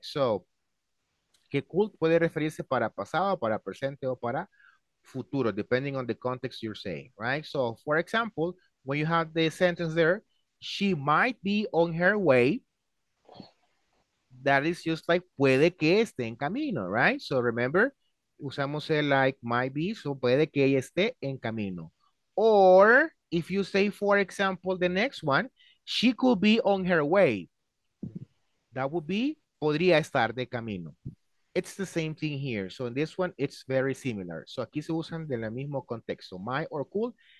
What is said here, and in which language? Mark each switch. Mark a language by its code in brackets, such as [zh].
[es] So, que could puede referirse para pasado, para presente, o para futuro, [en] depending on the context you're saying, right? So, for example, when you have the sentence there, she might be on her way. That is just like [es] puede que esté en camino, [en] right? So, remember, [es] usamos el [en] like might be, [es] so puede que ella esté en camino. [en] Or if you say, for example, the next one, she could be on her way. That would be [es] podría estar de camino. [en] It's the same thing here. So in this one, it's very similar. So [es] aquí se usan del mismo contexto, [en] my or could.